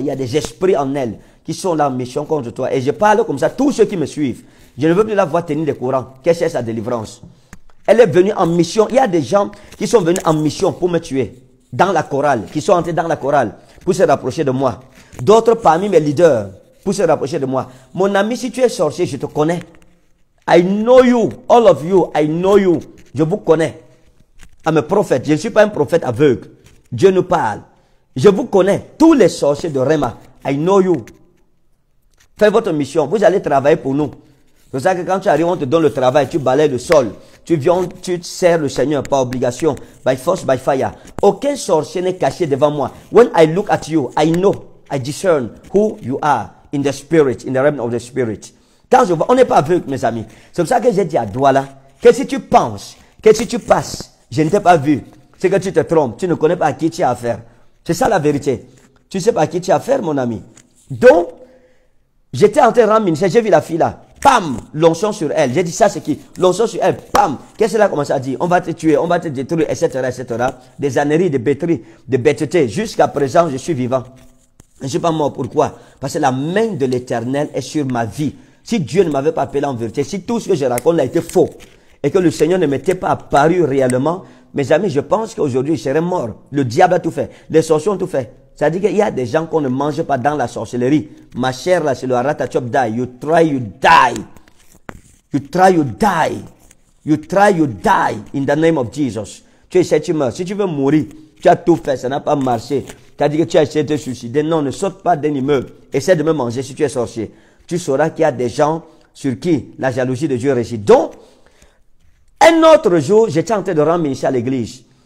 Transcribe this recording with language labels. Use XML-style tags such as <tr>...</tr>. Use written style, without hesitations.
<fr>Il y a des esprits en elle qui sont là en mission contre toi. Et je parle comme ça, tous ceux qui me suivent. Je ne veux plus la voir tenir le courant. Qu'est-ce que c'est sa délivrance? Elle est venue en mission. Il y a des gens qui sont venus en mission pour me tuer. Dans la chorale, qui sont entrés dans la chorale pour se rapprocher de moi. D'autres parmi mes leaders pour se rapprocher de moi. Mon ami, si tu es sorcier, je te connais.</fr> <en>I know you, all of you, I know you.</en> <fr>Je vous connais.</fr> <en>I'm a prophet.</en> <fr>Je ne suis pas un prophète aveugle. Dieu nous parle. Je vous connais. Tous les sorciers de Réma,</fr> <en>I know you.</en> <fr>Fais votre mission. Vous allez travailler pour nous. C'est pour ça que quand tu arrives, on te donne le travail, tu balais le sol. Tu viens, tu sers le Seigneur par obligation,</fr> <en>by force, by fire.</en> <fr>Aucun sorcier n'est caché devant moi.</fr> <en>When I look at you, I know, I discern who you are in the spirit, in the realm of the spirit.</en> <fr>Quand je vois, on n'est pas vu, mes amis. C'est pour ça que j'ai dit à Douala, que si tu penses, que si tu passes, je ne t'ai pas vu, c'est que tu te trompes. Tu ne connais pas à qui tu as affaire. C'est ça la vérité. Tu ne sais pas à qui tu as affaire, mon ami. Donc, j'étais en train de rendre ministère, j'ai vu la fille là. Pam, l'onction sur elle. J'ai dit, ça c'est qui? L'onction sur elle, pam. Qu'est-ce qu'elle a commencé à dire? On va te tuer, on va te détruire, etc., etc. Des âneries, des bêteries, des bêtetés. Jusqu'à présent, je suis vivant. Je ne suis pas mort. Pourquoi? Parce que la main de l'Éternel est sur ma vie. Si Dieu ne m'avait pas appelé en vérité, si tout ce que je raconte a été faux, et que le Seigneur ne m'était pas apparu réellement, mes amis, je pense qu'aujourd'hui, je serais mort. Le diable a tout fait. Les sorciers ont tout fait. Ça dit qu'il y a des gens qu'on ne mange pas dans la sorcellerie. Ma chère, là, c'est le ratatop die.</fr> <en>You try, you die. You try, you die. You try, you die in the name of Jesus.</en> <fr>Tu essaies, tu meurs. Si tu veux mourir, tu as tout fait, ça n'a pas marché. Ça dit que tu as essayé de te suicider. Non, ne saute pas d'un immeuble. Essaie de me manger si tu es sorcier. Tu sauras qu'il y a des gens sur qui la jalousie de Dieu réside. Donc, un autre jour, j'étais en train de rendre ministère à l'église.</fr>